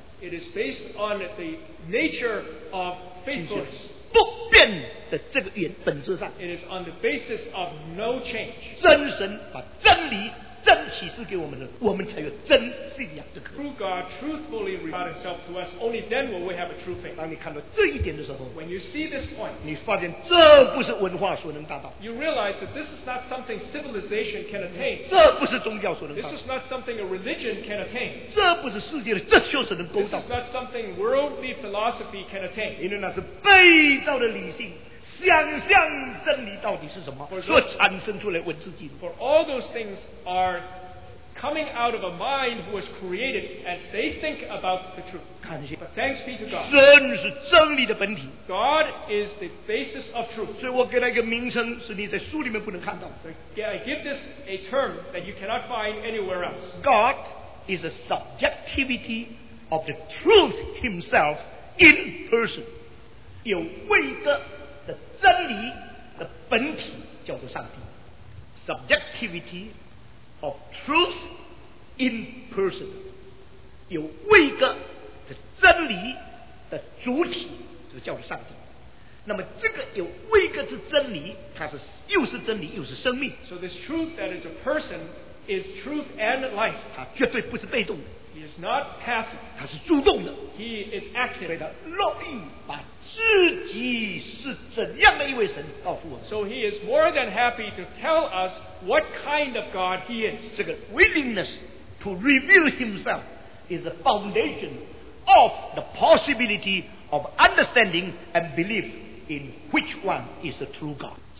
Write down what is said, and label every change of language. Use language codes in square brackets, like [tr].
[en] it is based on the nature of faithfulness. [zh] 不变的这个原本质上, [en] it is on the basis of no change. [zh] 真神把真理, 真启示给我们了, 我们才有真信仰的可能。 [en] True God truthfully revealed himself to us, only then will we have a true faith. [zh] 当你看到这一点的时候, [en] when you see this point, [zh] 你发现这不是文化所能达到, [en] you realize that this is not something civilization can attain. [zh] 这不是宗教所能达到, [en] this is not something a religion can attain. [zh] 这不是世界的哲学所能够到, [en] this is not something worldly philosophy can attain. [zh] 因为那是被造的理性, 想象真理到底是什么, [en] for all those things are coming out of a mind who was created as they think about the truth. [zh] 感谢, [en] but thanks be to God. [zh] 神是真理的本体, [en] God is the basis of truth. [zh] 所以我给他一个名称, 是你在书里面不能看到, [en] so I give this a term that you cannot find anywhere else. God is a subjectivity of the truth himself in person. [zh] 有位的 真理的本体叫做上帝, [en] subjectivity of truth in person, [zh] 有位格的真理的主体就叫做上帝。那么这个有位格之真理, 它是又是真理又是生命。 [en] So this truth that is a person is truth and life. [zh] 它绝对不是被动的, [en] he is not passive. [zh] 他是主动的, [en] he is active. [zh] 所以他乐意把自己是怎样的一位神告诉我们。 [en] So he is more than happy to tell us what kind of God he is. [zh] 这个 [en] willingness to reveal himself is the foundation of the possibility of understanding and belief in which one is the true God.